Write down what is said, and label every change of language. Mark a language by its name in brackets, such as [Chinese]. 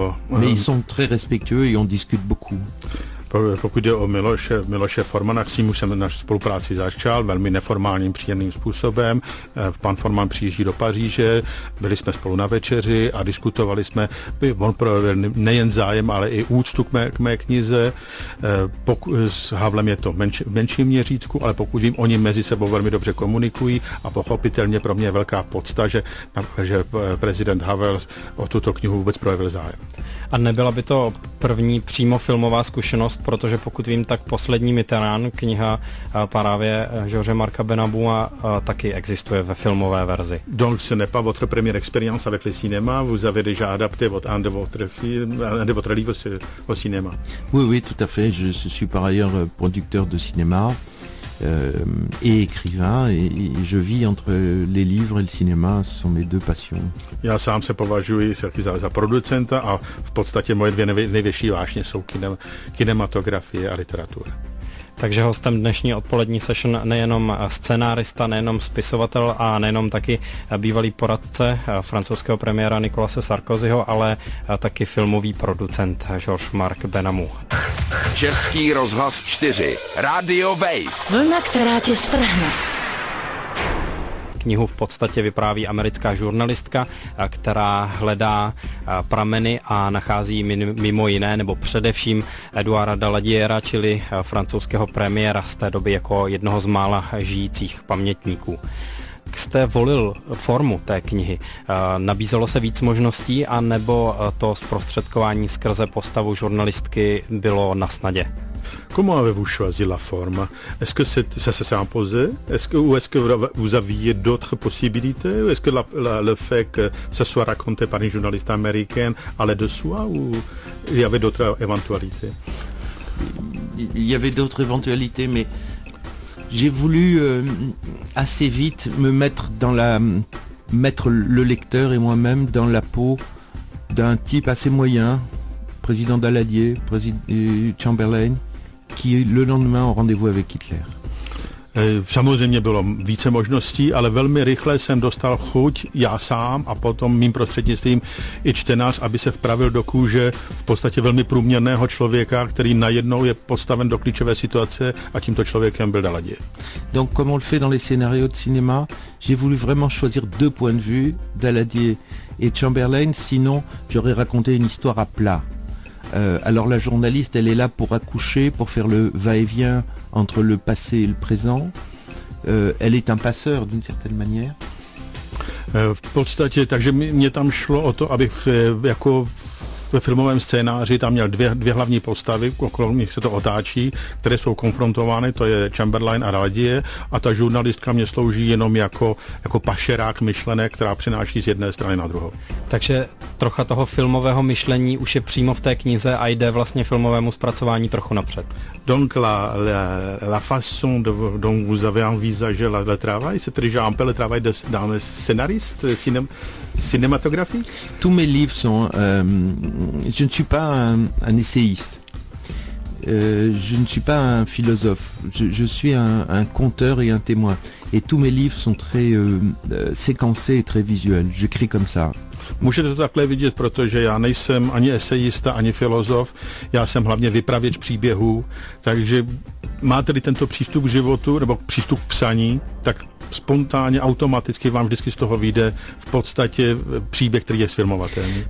[French] Mais ils sont très respectueux et on discute beaucoup. [Czech] Pokud jde o Miloše Formana, s ním už jsem na spolupráci začal velmi neformálním, příjemným způsobem. Pan Forman přijíždí do Paříže, byli jsme spolu na večeři a diskutovali jsme. On projevil nejen zájem, ale i úctu k mé knize. S Havlem je to menším měřítku, ale pokud vím, oni mezi sebou velmi dobře komunikují a pochopitelně pro mě je velká podsta, že prezident Havel o tuto knihu vůbec projevil zájem. A nebyla by to první přímo filmová zkušenost, protože pokud vím, tak poslední Mitterrand, kniha právě Georges Marka Benabouma, taky existuje ve filmové verzi. [French] Donc ce n'est pas votre première expérience avec le cinéma, vous avez déjà adapté un de votre livre au cinéma. Oui, oui, tout à fait, je suis par ailleurs producteur de cinéma et écrivain, et je vis entre les livres et le cinéma, ce sont mes deux passions. [Czech] Já sám se považuji za producenta a v podstatě moje dvě největší vášně jsou kinematografie a literatura. Takže hostem dnešní odpolední session nejenom scenárista, nejenom spisovatel a nejenom taky bývalý poradce francouzského premiéra Nicolase Sarkozyho, ale taky filmový producent Georges-Marc Benamou. Český rozhlas 4. Radio Wave. Vlna, která tě strhne. Knihu v podstatě vypráví americká žurnalistka, která hledá prameny a nachází mimo jiné, nebo především Eduarda Daladiera, čili francouzského premiéra z té doby jako jednoho z mála žijících pamětníků. Jak jste volil formu té knihy? Nabízelo se víc možností, anebo to zprostředkování skrze postavu žurnalistky bylo na snadě? [French] Comment avez-vous choisi la forme? Est-ce que ça s'est imposé? Est-ce que vous aviez d'autres possibilités? Est-ce que le fait que ça soit raconté par une journaliste américaine allait de soi ou il y avait d'autres éventualités? Il y avait d'autres éventualités, mais j'ai voulu assez vite mettre le lecteur et moi-même dans la peau d'un type assez moyen, président Daladier, président Chamberlain, qui le lendemain au rendez-vous avec Hitler. [Czech] Samozřejmě bylo více možností, ale velmi rychle jsem dostal chuť já sám a potom mým prostřednictvím i čtenář, aby se vpravil do kůže v podstatě velmi průměrného člověka, který najednou je postaven do klíčové situace a tímto člověkem byl Daladier. [French] Donc comme on le fait dans les scénarios de cinéma, j'ai voulu vraiment choisir deux points de vue, Daladier et Chamberlain, sinon j'aurais raconté une histoire à plat. Alors la journaliste, elle est là pour accoucher, pour faire le va-et-vient entre le passé et le présent. Elle est un passeur d'une certaine manière. [Czech] V podstatě, takže mě tam šlo o to, abych jako ve filmovém scénáři tam měl dvě hlavní postavy, okolo nich se to otáčí, které jsou konfrontovány, to je Chamberlain a Radie, a ta žurnalistka mě slouží jenom jako pašerák myšlenek, která přináší z jedné strany na druhou. Takže trocha toho filmového myšlení už je přímo v té knize a jde vlastně filmovému zpracování trochu napřed. [French] Donc la façon dont vous avez envisagé le travail, c'est déjà un peu le travail d'un scénariste cinématographique. Tous mes livres sont... je ne suis pas un essayiste. Je ne suis pas un philosophe. Je suis un conteur et un témoin. Et tous mes livres sont très séquencés et très visuels. J'écris comme ça. [Czech] Můžete to takhle vidět, protože já nejsem ani esejista, ani filozof, já jsem hlavně vypravěč příběhů, takže máte-li tento přístup k životu, nebo přístup k psaní, tak spontánně, automaticky vám vždycky z toho vyjde v podstatě příběh, který je sfilmovatelný.